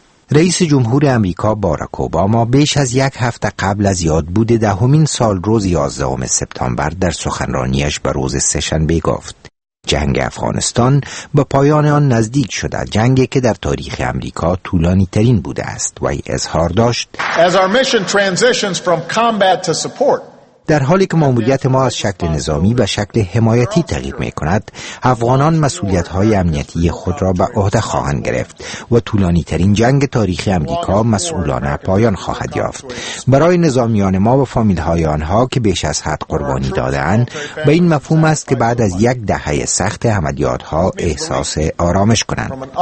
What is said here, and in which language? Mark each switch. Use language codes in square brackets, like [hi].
[fa] رئیس جمهور آمریکا باراک اوباما بیش از یک هفته قبل از یادبود دهمین سال روز 11 سپتامبر در سخنرانیش به روز سه‌شنبه گفت جنگ افغانستان به پایان آن نزدیک شده، جنگی که در تاریخ آمریکا طولانی ترین بوده است. وی اظهار داشت [en] As our mission transitions from combat to support. [fa] در حالی که ماموریت ما از شکل نظامی و شکل حمایتی تغییر می کند، افغانان مسئولیت‌های امنیتی خود را به عهده خواهند گرفت و طولانی ترین جنگ تاریخ آمریکا مسئولانه پایان خواهد یافت. برای نظامیان ما و فامیل‌های آنها که بیش از حد قربانی داده‌اند، به این مفهوم است که بعد از یک دهه سخت عملیات‌ها احساس آرامش کنند.